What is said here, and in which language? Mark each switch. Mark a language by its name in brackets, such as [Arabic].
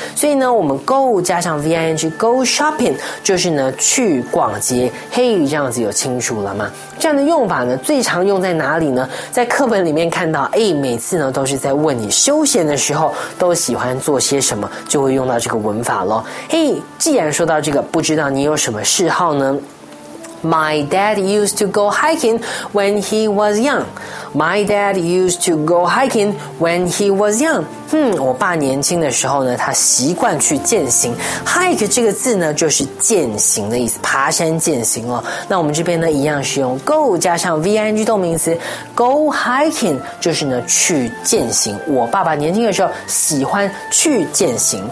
[Chinese] 所以呢我们 go 加上 ving goShopping 就是呢去逛街，嘿，这样子有清楚了吗？这样的用法呢最常用在哪里呢？在课本里面看到，哎，每次呢都是在问你休闲的时候都喜欢做些什么，就会用到这个文法咯。嘿，既然说到这个，不知道你有什么嗜好呢？ [English] My dad used to go hiking when he was young. My dad used to go hiking when he was young. [Chinese] 我爸年轻的时候呢，他习惯去健行。Hike 这个字呢，就是健行的意思，爬山健行哦。那我们这边呢，一样是用 go 加上 ving 动名词 ，go hiking 就是呢去健行。我爸爸年轻的时候喜欢去健行。